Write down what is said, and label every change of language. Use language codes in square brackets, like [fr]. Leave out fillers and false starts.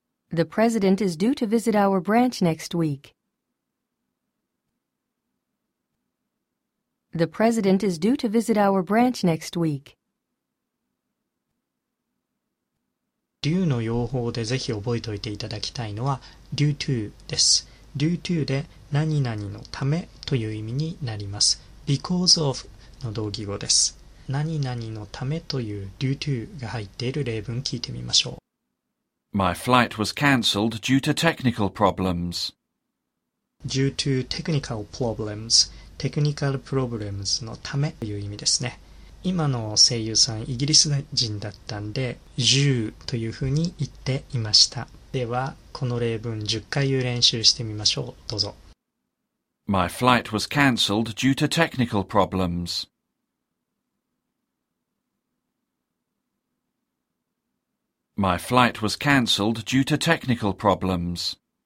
[en] The president is due to visit our branch next week. The president is due to visit our branch next week. [ja] due の用法でぜひ覚えておいていただきたいのは due to です。 due to で何々のためという意味になります。 because of の同義語です。何々のためという due to が入っている例文聞いてみましょう。 [en] My flight was cancelled due to technical problems. due to technical problems. technical problems [ja] のためという意味ですね。今の声優さんイギリス人だったんで10というふうに言っていました。ではこの例文10回言う練習してみましょう。どうぞ。 [en] My flight was cancelled due to technical problems. My flight was cancelled due to technical problems.